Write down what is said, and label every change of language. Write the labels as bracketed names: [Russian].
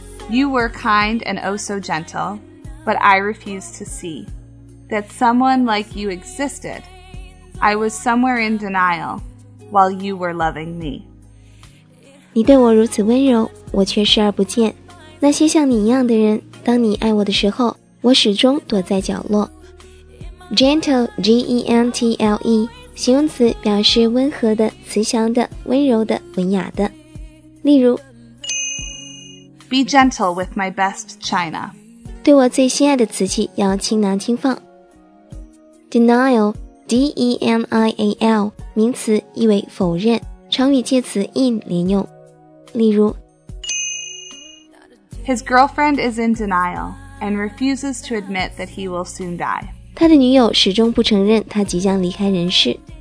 [English] You were kind and oh so gentle, but I refused to see that someone like you existed. I was somewhere in denial while you were loving me. [Chinese] 你对我如此温柔，我却视而不见。那些像你一样的人，当你爱我的时候，我始终躲在角落。 Gentle, G-E-N-T-L-E, 形容词，表示温和的、慈祥的、温柔的、文雅的。例如 [English] Be gentle with my best china. [Chinese] 对我最心爱的瓷器要轻拿轻放。Denial, D-E-N-I-A-L, 名词意为否认，常与介词 in 连用。例如 [English] His girlfriend is in denial and refuses to admit that he will soon die. [Chinese] 他的女友始终不承认他即将离开人世。